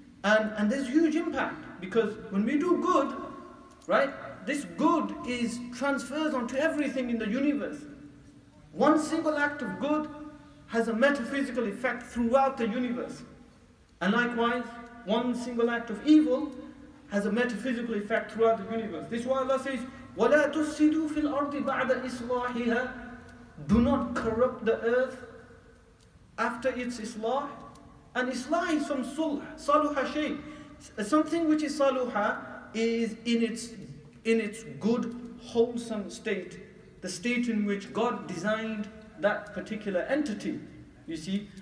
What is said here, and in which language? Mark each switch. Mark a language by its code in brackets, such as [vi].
[en] And there's huge impact, because when we do good, right, this good is transfers onto everything in the universe. One single act of good has a metaphysical effect throughout the universe. And likewise, one single act of evil has a metaphysical effect throughout the universe. This is why Allah says, [ar] وَلَا تُفْسِدُوا فِي الْأَرْضِ بَعْدَ إِصْلَاحِهَا. [en] Do not corrupt the earth after its islah. And islah is from sulh, saluha shay. Something which is saluha is in its good, wholesome state. The state in which God designed that particular entity, you see.